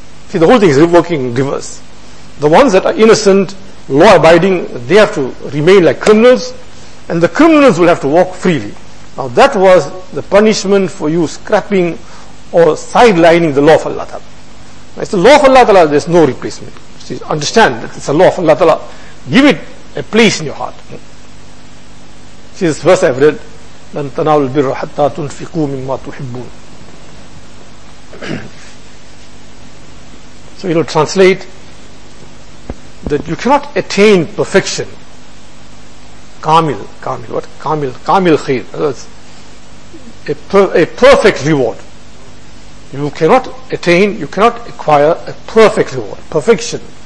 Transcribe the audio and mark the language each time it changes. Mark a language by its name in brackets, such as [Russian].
[English] See, the whole thing is working in reverse. The ones that are innocent, law-abiding, they have to remain like criminals, and the criminals will have to walk freely. Now that was the punishment for you scrapping or sidelining the law of Allah Ta'ala. Now, it's the law of Allah Ta'ala, there's no replacement. See, understand that it's the law of Allah Ta'ala. Give it a place in your heart. See, this verse I've read, [Arabic] لَن تَنَعُوا الْبِرَّ حَتَّى تُنْفِقُوا مِمَّا تُحِبُّونَ. [English] So it'll translate that you cannot attain perfection. Kamil, what? Kamil khair. That's a perfect reward. You cannot acquire a perfect reward. Perfection.